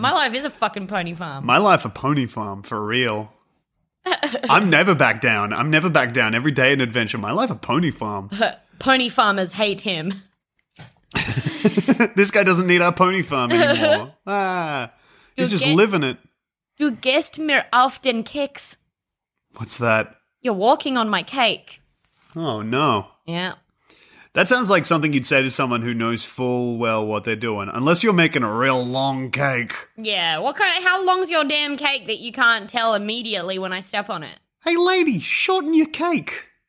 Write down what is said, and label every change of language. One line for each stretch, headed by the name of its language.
English: My life is a fucking pony farm. My life a pony farm, for real. I'm never back down. I'm never back down. Every day an adventure. My life a pony farm. Pony farmers hate him. This guy doesn't need our pony farm anymore. He's just living it.
German: Du gehst mir auf den Keks.
English: What's that? You're walking on my cake. Oh, no. Yeah. That sounds like something you'd say to someone who knows full well what they're doing, unless you're making a real long cake. Yeah, how long's your damn cake that you can't tell immediately when I step on it? Hey, lady, shorten your cake.